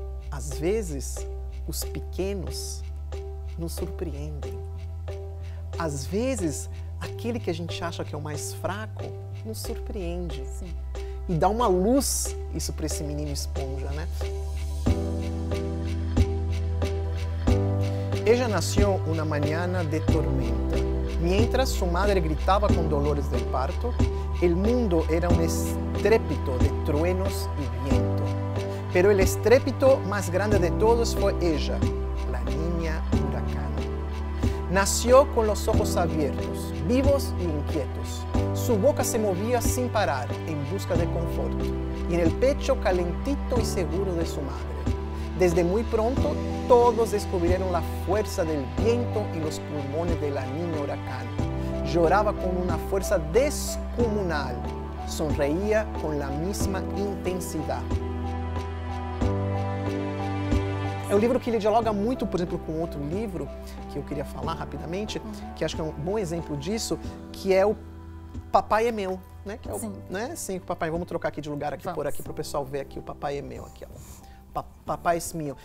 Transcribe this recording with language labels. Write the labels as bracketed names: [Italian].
[Portuguese] Às vezes os pequenos nos surpreendem. Às vezes aquele que a gente acha que é o mais fraco nos surpreende. Sim. E dá uma luz isso para esse menino esponja, né? [Spanish] Ella nació una mañana de tormenta. Mientras su madre gritaba con dolores del parto, el mundo era un estrépito de truenos y viento. Pero el estrépito más grande de todos fue ella, la niña huracán. Nació con los ojos abiertos, vivos y inquietos. Su boca se movía sin parar en busca de conforto y en el pecho calentito y seguro de su madre. Desde muy pronto, todos descubrieron la fuerza del viento en los pulmones de la niña huracán. Lloraba con una fuerza descomunal, sonreía con la misma intensidad. [Portuguese] É um livro que ele dialoga muito, por exemplo, com outro livro que eu queria falar rapidamente, que acho que é um bom exemplo disso, que é o Papai é Meu, né? Que é o, sim. Né? Sim, o papai. Vamos trocar aqui de lugar, aqui, pôr aqui para o pessoal ver aqui. O Papai é Meu, aqui, ó. Papai é Meu.